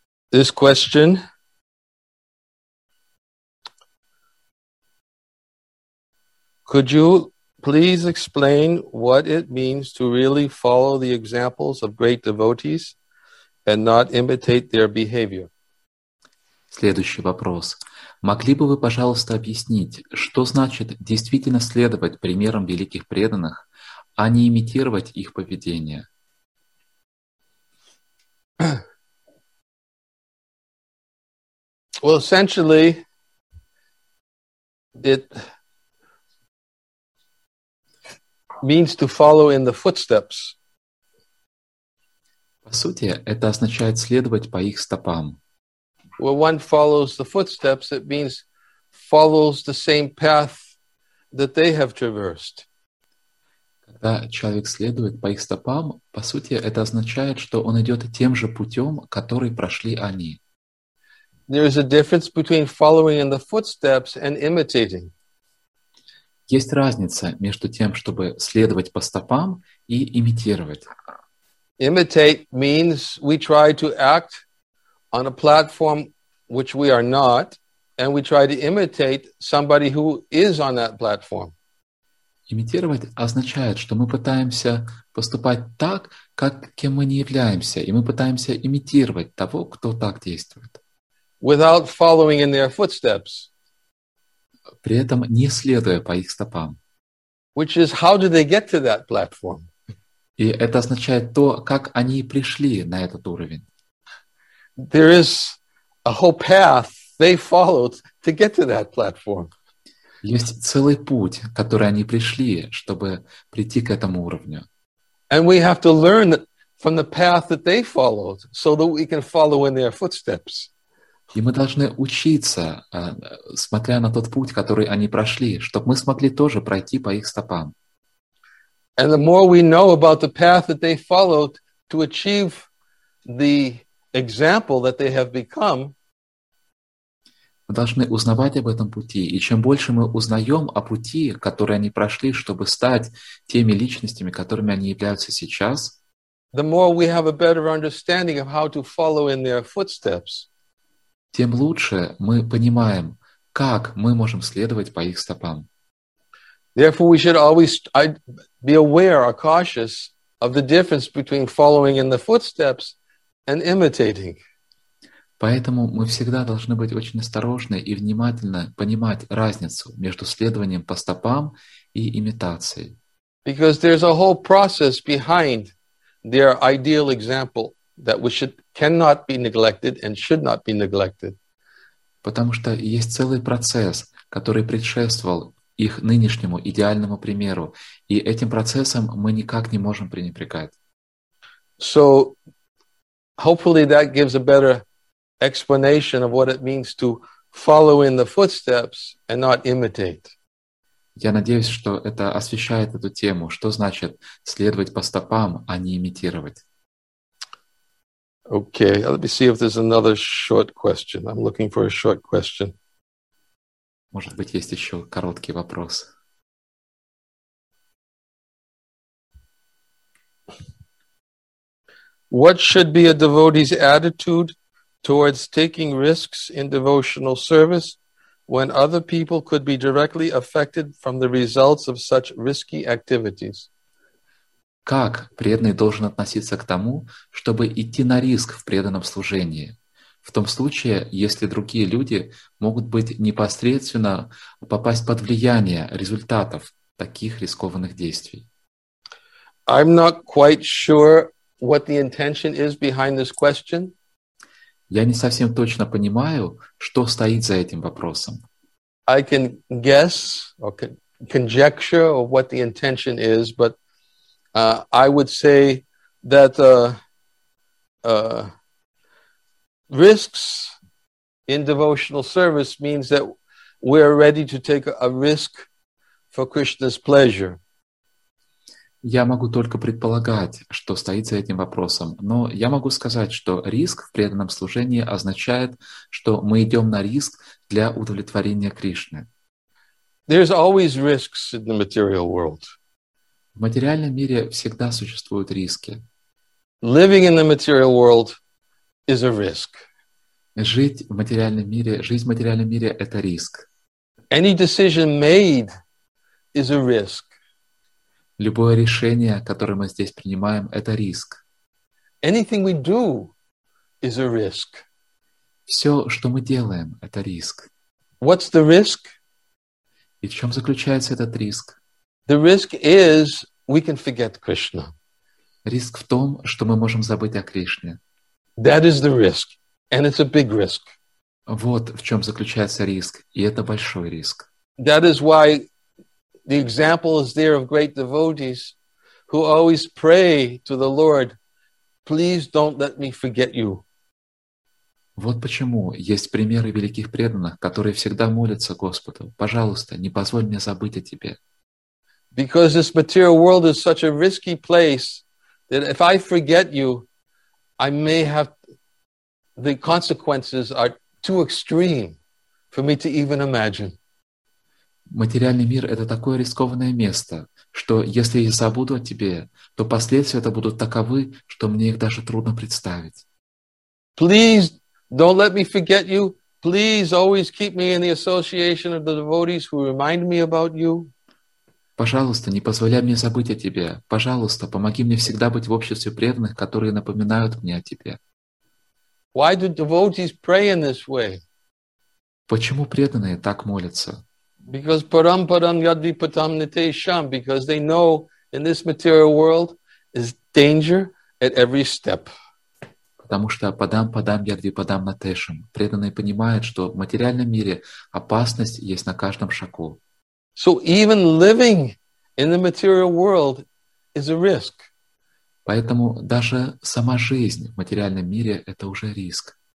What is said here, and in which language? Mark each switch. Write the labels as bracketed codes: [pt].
[en] This question could you please explain what it means to really follow the examples of great devotees and not imitate their behavior? [ru] Следующий вопрос. Могли бы вы, пожалуйста, объяснить, что значит действительно следовать примерам великих преданных, а не имитировать их поведение? [en] Well, essentially, it means to follow in the footsteps. [ru] По сути, это означает следовать по их стопам. [en] When one follows the footsteps, it means follows the same path that they have traversed. [ru] Когда человек следует по их стопам, по сути, это означает, что он идет тем же путем, который прошли они. [en] There is a difference between following in the footsteps and imitating. [ru] Есть разница между тем, чтобы следовать по стопам и имитировать. [en] Imitate means we try to act on a platform which we are not, and we try to imitate somebody who is on that platform. [ru] Имитировать означает, что мы пытаемся поступать так, как кем мы не являемся, и мы пытаемся имитировать того, кто так действует. [en] Without following in their footsteps. [ru] При этом не следуя по их стопам. [en] Which is, how do they get to that platform? [ru] И это означает то, как они пришли на этот уровень. [en] There is a whole path they followed to get to that platform. [ru] Есть целый путь, который они пришли, чтобы прийти к этому уровню. [en] And we have to learn from the path that they followed so that we can follow in their footsteps. [ru] И мы должны учиться, смотря на тот путь, который они прошли, чтобы мы смогли тоже пройти по их стопам. [en] And the more we know about the path that they followed to achieve the example that they have become, [ru] мы должны узнавать об этом пути, и чем больше мы узнаем о пути, который они прошли, чтобы стать теми личностями, которыми они являются сейчас, [en] the more we have a better understanding of how to follow in their footsteps. [ru] Тем лучше мы понимаем, как мы можем следовать по их стопам. [en] Therefore, we should always be aware or cautious of the difference between following in the footsteps and imitating. [ru] Поэтому мы всегда должны быть очень осторожны и внимательно понимать разницу между следованием по стопам и имитацией. [en] Because there's a whole process behind their ideal example that we should cannot be neglected and should not be neglected. [ru] Потому что есть целый процесс, который предшествовал их нынешнему идеальному примеру, и этим процессом мы никак не можем пренебрегать. [en] So, hopefully that gives a better explanation of what it means to follow in the footsteps and not imitate. [ru] Я надеюсь, что это освещает эту тему, что значит следовать по стопам, а не имитировать. [en] Okay, let me see if there's another short question. I'm looking for a short question. [ru] Может быть, есть еще короткий вопрос. [en] What should be a devotee's attitude towards taking risks in devotional service when other people could be directly affected from the results of such risky activities? [ru] Как преданный должен относиться к тому, чтобы идти на риск в преданном служении, в том случае, если другие люди могут быть непосредственно попасть под влияние результатов таких рискованных действий? [en] I'm not quite sure what the intention is behind this question. [ru] Я не совсем точно понимаю, что стоит за этим вопросом. [en] I can guess or conjecture of what the intention is, but I would say that risks in devotional service means that we are ready to take a risk for Krishna's pleasure. [ru] Я могу только предполагать, что стоит за этим вопросом, но я могу сказать, что риск в преданном служении означает, что мы идем на риск для удовлетворения Кришны. [en] There's always risks in the material world. [ru] В материальном мире всегда существуют риски. [en] Living in the material world is a risk. [ru] Жить в материальном мире, жизнь в материальном мире — это риск. [en] Any decision made is a risk. [ru] Любое решение, которое мы здесь принимаем, это риск. [en] Anything we do is a risk. [ru] Все, что мы делаем, это риск. [en] What's the risk? [ru] И в чем заключается этот риск? [en] The risk is we can forget Krishna. [ru] Риск в том, что мы можем забыть о Кришне. [en] That is the risk, and it's a big risk. [ru] Вот в чем заключается риск, и это большой риск. [en] That is why the example is there of great devotees who always pray to the Lord, please don't let me forget you. [ru] Вот почему есть примеры великих преданных, которые всегда молятся Господу, пожалуйста, не позволь мне забыть о тебе. [en] Because this material world is such a risky place that if I forget you, I may have the consequences are too extreme for me to even imagine. [ru] Материальный мир — это такое рискованное место, что если я забуду о тебе, то последствия это будут таковы, что мне их даже трудно представить. [en] Please don't let me forget you. Please always keep me in the association of the devotees who remind me about you. [ru] Пожалуйста, не позволяй мне забыть о тебе. Пожалуйста, помоги мне всегда быть в обществе преданных, которые напоминают мне о тебе. [en] Why do devotees pray in this way? [ru] Почему преданные так молятся? [en] Because [sa] param param yadvi patam nitesham, [en] because they know in this material world is danger at every step. [ru] Потому что [sa] падам падам ядви падам натешам. [ru] Преданные понимают, что в материальном мире опасность есть на каждом шагу. [en] So even living in the material world is a risk. [ru] Поэтому даже сама жизнь в материальном мире — это уже риск.